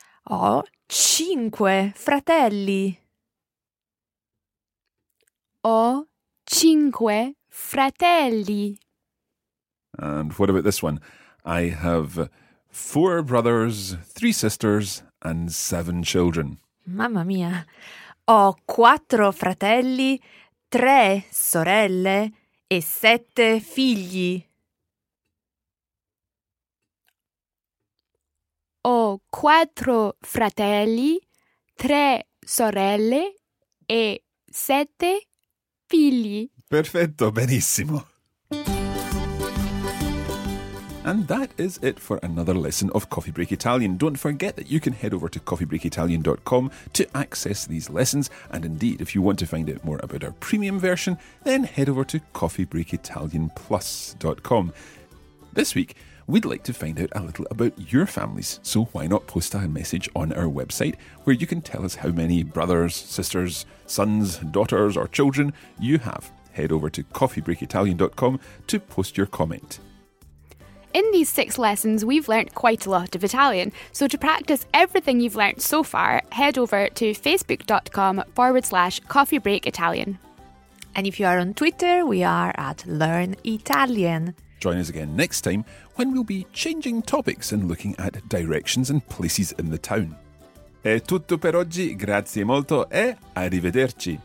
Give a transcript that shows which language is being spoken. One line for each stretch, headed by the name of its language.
Italian: Ho 5 fratelli. Ho 5 fratelli.
English: And what about this one? I have 4 brothers, 3 sisters and 7 children.
Italian: Mamma mia. Ho 4 fratelli, 3 sorelle e 7 figli. Ho 4 fratelli, 3 sorelle e 7 figli. Perfetto, benissimo.
English: And that is it for another lesson of Coffee Break Italian. Don't forget that you can head over to coffeebreakitalian.com to access these lessons. And indeed, if you want to find out more about our premium version, then head over to coffeebreakitalianplus.com. This week, we'd like to find out a little about your families. So why not post a message on our website where you can tell us how many brothers, sisters, sons, daughters or children you have. Head over to coffeebreakitalian.com to post your comment. In these 6 lessons, we've learnt quite a lot of Italian. So to practice everything you've learnt so far, head over to facebook.com/coffeebreakitalian. And if you are on Twitter, we are at Learn Italian. Join us again next time when we'll be changing topics and looking at directions and places in the town.
Italian: È tutto per oggi. Grazie molto e arrivederci.